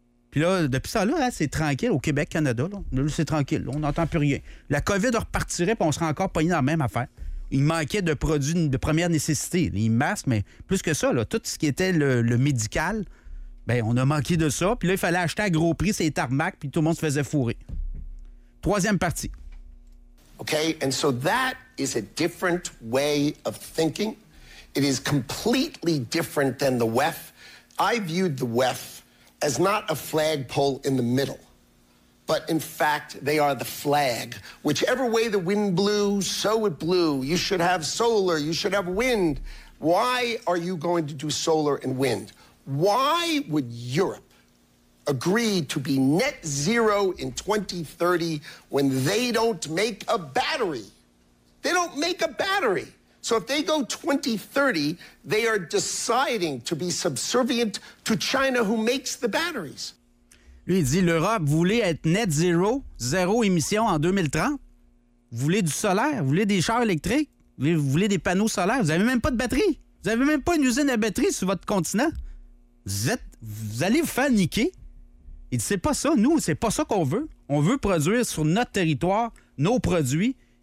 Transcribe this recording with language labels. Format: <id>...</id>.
<fr>Puis là, depuis ça, là, hein, c'est tranquille au Québec, Canada. Là c'est tranquille. Là, on n'entend plus rien. La COVID repartirait, puis on serait encore pogné dans la même affaire. Il manquait de produits de première nécessité. Les masques, mais plus que ça, là, tout ce qui était le médical... Bien, on a manqué de ça. Puis là, il fallait acheter à gros prix ces tarmacs, puis tout le monde se faisait fourrer. Troisième partie.</fr> <en>OK, and so that is a different way of thinking. It is completely different than the WEF. I viewed the WEF as not a flagpole in the middle, but in fact, they are the flag. Whichever way the wind blew, so it blew. You should have solar, you should have wind. Why are you going to do solar and wind? Why would Europe agree to be net zero in 2030 when they don't make a battery? They don't make a battery. So if they go 2030, they are deciding to be subservient to China who makes the batteries.</en> <fr>Lui, il dit, l'Europe voulait être net zéro, zéro émission en 2030. Vous voulez du solaire, vous voulez des chars électriques, vous voulez des panneaux solaires, vous n'avez même pas de batterie. Vous n'avez même pas une usine à batterie sur votre continent. Vous allez vous faire niquer. Il dit, c'est pas ça, nous, c'est pas ça qu'on veut. On veut produire sur notre territoire nos produits.</fr>